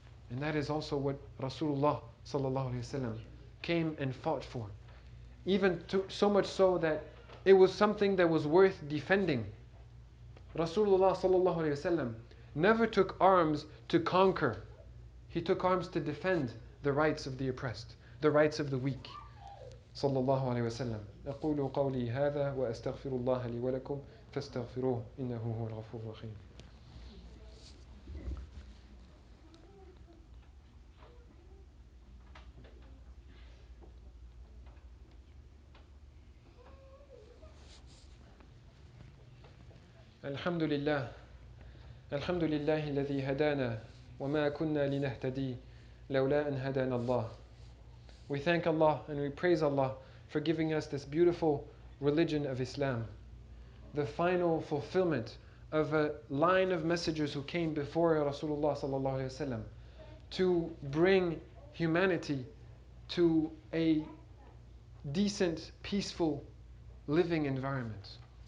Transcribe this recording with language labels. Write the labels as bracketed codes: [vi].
[en] And that is also what Rasulullah sallallahu alaihi wasallam came and fought for. Even so much so that it was something that was worth defending. Rasulullah sallallahu alaihi wasallam never took arms to conquer. He took arms to defend the rights of the oppressed, the rights of the weak. [ar] صلى الله عليه وسلم أقول قولي هذا وأستغفر الله لي ولكم فاستغفروه إنه هو الغفور الرحيم. الحمد لله. الحمد لله الذي هدانا وما كنا لنهتدي لولا أن هدانا الله. [en] We thank Allah and we praise Allah for giving us this beautiful religion of Islam, the final fulfillment of a line of messengers who came before Rasulullah sallallahu alaihi wasallam to bring humanity to a decent, peaceful living environment.